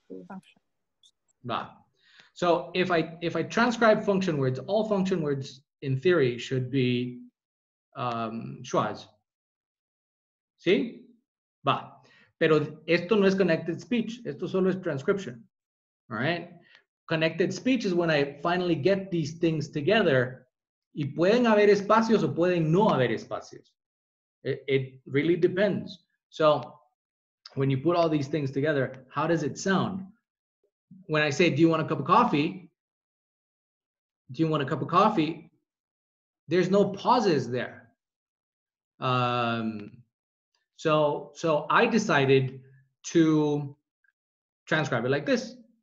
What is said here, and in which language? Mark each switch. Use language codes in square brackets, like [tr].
[en] Function. So if I transcribe function words, all function words in theory should be schwas. [es] ¿Sí? Va. Pero esto no es connected speech. Esto solo es transcription. [en] All right? Connected speech is when I finally get these things together. [es] Y pueden haber espacios o pueden no haber espacios. [en] It really depends. So when you put all these things together, how does it sound? When I say, do you want a cup of coffee? Do you want a cup of coffee? There's no pauses there. So I decided to transcribe it like this.